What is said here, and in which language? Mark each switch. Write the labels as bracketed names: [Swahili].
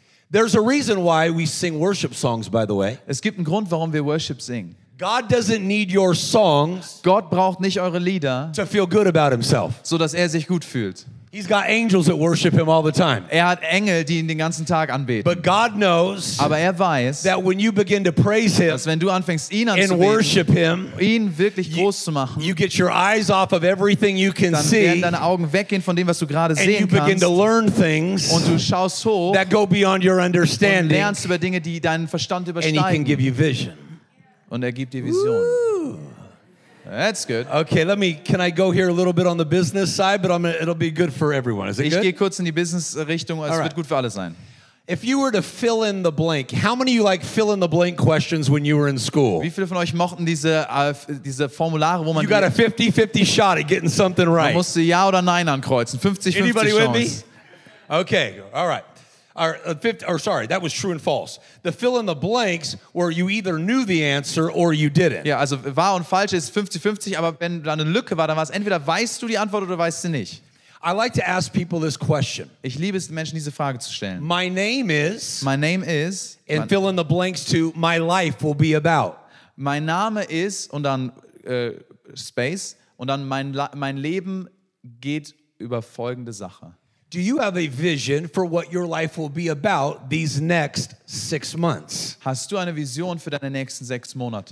[English] There's a reason why we sing worship songs, by the way. [German] Es gibt einen Grund, warum wir Worship singen. [English] God doesn't need your songs. [German] Gott braucht nicht eure Lieder. [English] To feel good about himself. [German] So dass er sich gut fühlt. [English] He's got angels that worship him all the time. [German] Er hat Engel, die ihn den ganzen Tag anbeten. [English] But God knows. [German] Aber er weiß. [English] That when you begin to praise him. [German] Dass wenn du anfängst ihn anzubeten. [English] And worship him. [German] Ihn wirklich groß zu machen. [English] You get your eyes off of everything you can see. [German] Dann werden deine Augen weggehen von dem, was du gerade sehen kannst. [English] And you begin to learn things. [German] Und du schaust hoch. [English] That go beyond your understanding. [German] Und lernst über Dinge, die deinen Verstand übersteigen. [English] And he can give you vision. [German] Und er gibt dir Vision. [English] That's good. Okay, let me. Can I go here a little bit on the business side? But it'll be good for everyone. Is it [German] ich [English] good? [German] Ich gehe kurz in die Business Richtung. Es wird gut für alle sein. [English] If you were to fill in the blank, how many of you like fill in the blank questions when you were in school? [German] Wie viele von euch mochten diese Formulare, wo man [English] you got a 50-50 shot at getting something right. [German] Man musste ja oder nein ankreuzen. [English] 50-50 Anybody [German] Chance. [English] With me? Okay. All right. That was true and false. The fill in the blanks were you either knew the answer or you didn't. [German] Ja, also wahr und falsch ist 50-50, aber wenn da eine Lücke war, dann war es entweder weißt du die Antwort oder weißt du nicht. [English] I like to ask people this question. [German] Ich liebe es, Menschen diese Frage zu stellen. [English] My name is and fill in the blanks to my life will be about. [German] Mein Name ist und dann space und dann mein Leben geht über folgende Sache. [English] Do you have a vision for what your life will be about these next 6 months? [German] Hast du eine Vision für deine nächsten 6 Monate?